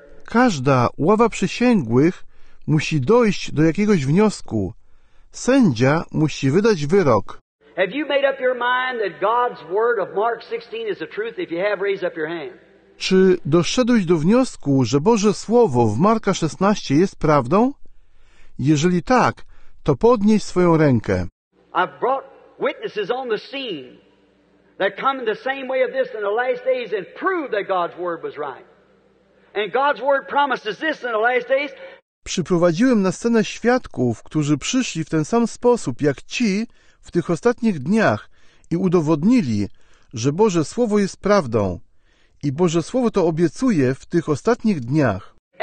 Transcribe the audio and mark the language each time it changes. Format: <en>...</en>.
<pl>Każda ława przysięgłych musi dojść do jakiegoś wniosku. Sędzia musi wydać wyrok.</pl> <en>Have you made up your mind that God's word of Mark 16 is the truth? If you have, raise up your hand.</en> <pl>Czy doszedłeś do wniosku, że Boże Słowo w Marka 16 jest prawdą? Jeżeli tak, to podnieś swoją rękę.</pl> <en>I've brought witnesses on the scene that come in the same way of this in the last days and prove that God's word was right. And God's word promises this in the last days.</en> <pl>Przyprowadziłem na scenę świadków, którzy przyszli w ten sam sposób jak ci w tych ostatnich dniach i udowodnili, że Boże Słowo jest prawdą. I Boże Słowo to obiecuje w tych ostatnich dniach.</pl>